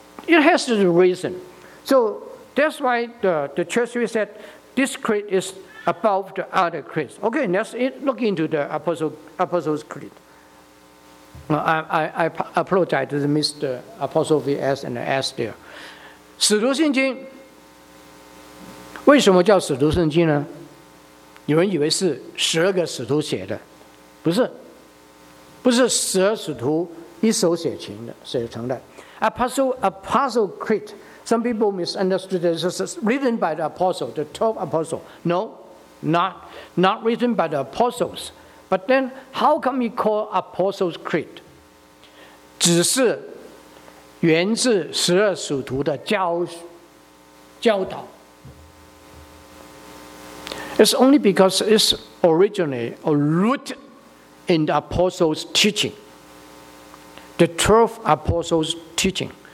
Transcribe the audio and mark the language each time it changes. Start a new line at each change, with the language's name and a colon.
English: It has a reason. So that's why the church said this creed is above the other creeds. Okay, let's look into the Apostles' Creed. I apologize to the Apostle VS and the S there.
Chinese: 使徒信经, 为什么叫使徒信经呢? 有人以为是12个使徒写的, 不是, 不是12使徒一手写成的,
English: Apostle Creed, some people misunderstood it as written by the apostle, the 12 apostles. No, not written by the apostles. But then, how come you call Apostles' Creed?
Chinese: 只是源自十二使徒的教导。
English: It's only because it's originally a root in the apostles' teaching, the 12 apostles' teaching.